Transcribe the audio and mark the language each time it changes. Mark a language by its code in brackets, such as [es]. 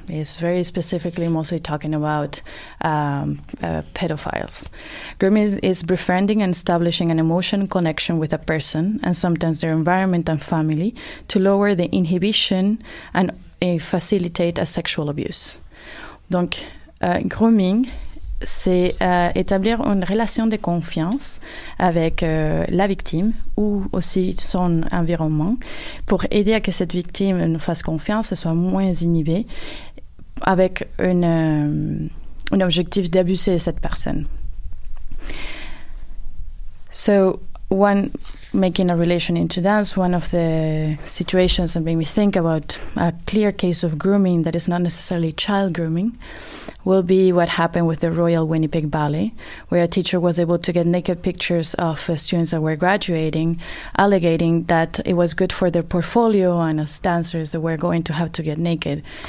[en] It's very specifically mostly talking about pedophiles. Grooming is befriending and establishing an emotional connection with a person and sometimes their environment and family to lower the inhibition and facilitate a sexual abuse. [fr] Donc, grooming, c'est établir une relation de confiance avec la victime ou aussi son environnement pour aider à que cette victime nous fasse confiance et soit moins inhibée avec un objectif d'abuser cette personne. [en] So, when making a relation into dance, one of the situations that made me think about a clear case of grooming that is not necessarily child grooming will be what happened with the Royal Winnipeg Ballet, where a teacher was able to get naked pictures of students that were graduating, alleging that it was good for their portfolio and as dancers that were going to have to get naked.